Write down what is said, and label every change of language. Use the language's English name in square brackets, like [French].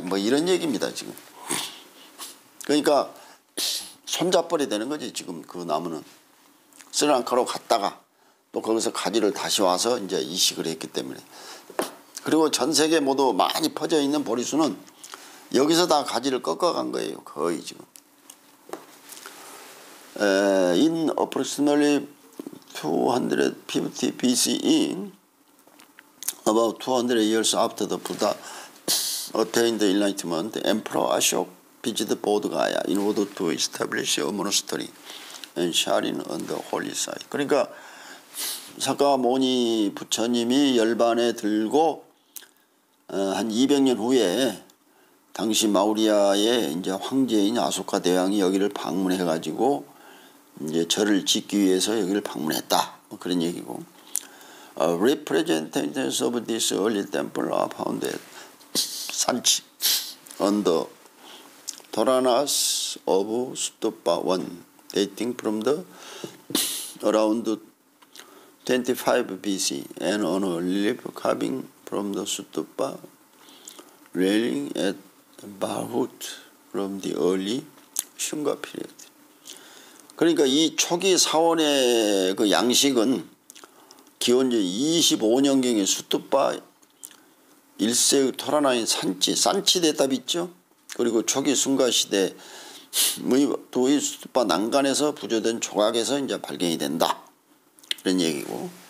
[Korean] 뭐 이런 얘기입니다, 지금. 그러니까 손잡벌이 되는 거지, 지금 그 나무는. 스리랑카로 갔다가 또 거기서 가지를 다시 와서 이제 이식을 했기 때문에. 그리고 전 세계 모두 많이 퍼져 있는 보리수는 여기서 다 가지를 꺾어 간 거예요. 거의 지금. [English] In approximately 250 BCE, about 200 years after the Buddha attained the enlightenment, the Emperor Ashoka visited Bodhgaya in order to establish a monastery and shrine on the holy site. [Korean] 그러니까 사카모니 부처님이 열반에 들고 한 200년 후에 당시 마우리아의 이제 황제인 아소카 대왕이 여기를 방문해 가지고 이제 절을 짓기 위해서 여기를 방문했다. 뭐 그런 얘기고. [English] Representations of this early temple are found at Sanchi on the Dharanas of Stupa 1 dating from the around 25 BC, and on a relief carving from the stupa railing at Bahut from the early Shunga period. [Korean] 그러니까 이 초기 사원의 그 양식은 기원전 25년경에 수뚜파 1세의 토라나인 산치, 산치 대답 있죠? 그리고 초기 순가 시대 무이도의 수뚜파 난간에서 부조된 조각에서 이제 발견이 된다. 그런 얘기고.